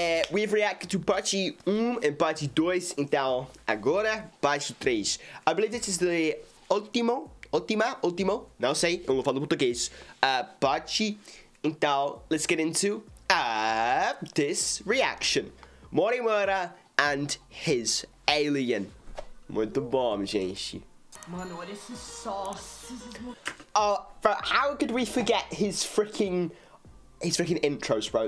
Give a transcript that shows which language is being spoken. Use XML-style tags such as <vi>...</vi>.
<en>We've reacted to part 1 and part 2, então agora part 3. I believe this is the último, não sei, eu não falo português, part. Então, let's get into this reaction. MoriMura and his alien. Muito bom, gente.</en> <pt>Mano, olha esse sauce.</pt> <en>How could we forget his freaking intros, bro?</en>